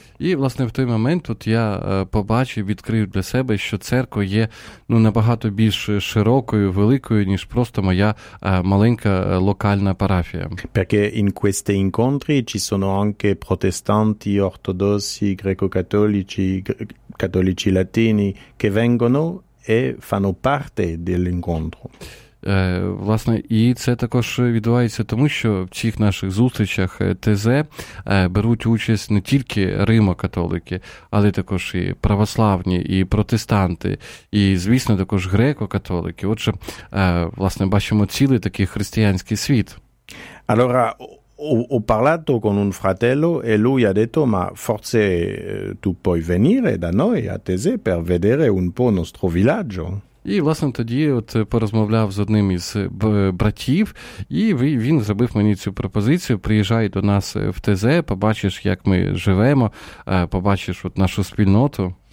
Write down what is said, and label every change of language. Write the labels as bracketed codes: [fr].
[uk] І, власне, в той момент от я побачив, відкрив для себе, що церква є, ну, набагато більш широкою, великою, ніж просто моя маленька локальна парафія. [it] Perché in questi incontri ci sono anche protestanti, ortodossi, greco-cattolici, cattolici latini che vengono e fanno parte dell'incontro. [uk] Власне, і це також відбувається тому, що в цих наших зустрічах ТЗ беруть участь не тільки римо-католики, але також і православні, і протестанти, і, звісно, також греко-католики. Отже, власне, бачимо цілий такий християнський світ. [it] Allora, ho parlato con un fratello e lui ha detto, ma forse tu puoi venire da noi a Tese per vedere un po' il nostro villaggio? [uk] І, власне, тоді от порозмовляв з одним із братів, і він зробив мені цю пропозицію: приїжджай до нас в Тезе, побачиш, як ми живемо, побачиш от нашу спільноту.